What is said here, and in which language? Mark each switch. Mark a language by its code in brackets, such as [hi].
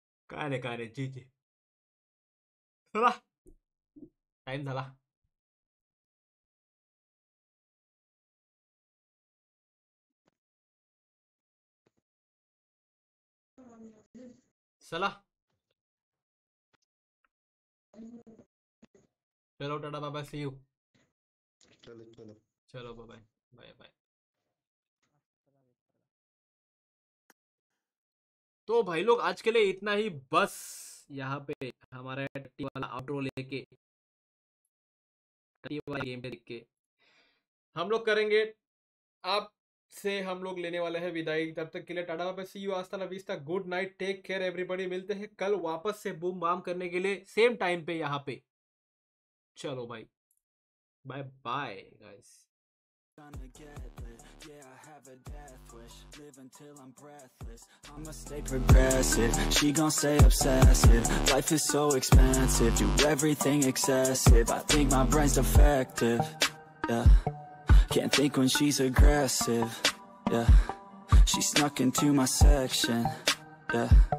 [mr] काय नाही काय नाही जी जी चला टाइम झाला चला चलो टाटा बाबा सी यू [hi] चलो चलो चलो बाय बाय बाय। तो भाई लोग आज के लिए इतना ही, बस यहाँ पे हमारे टी वाला आउट्रो लेके टी वाला गेम पे लेके हम लोग करेंगे आप से हम लोग लेने वाले हैं विदाई। तब तक के लिए टाटा बाय, सी यू आस्ता ला vista, [en] Good night, take care everybody. [hi] मिलते हैं कल वापस से बूम बाम करने के लिए सेम टाइम पे यहाँ पे। चलो भाई bye bye guys. [en] Gonna get lit. Yeah, I have a death wish. Live until I'm breathless. I'ma stay progressive. She gon' stay obsessive. Life is so expensive. Do everything excessive. I think my brain's defective. Yeah. Can't think when she's aggressive. Yeah. She snuck into my section. Yeah.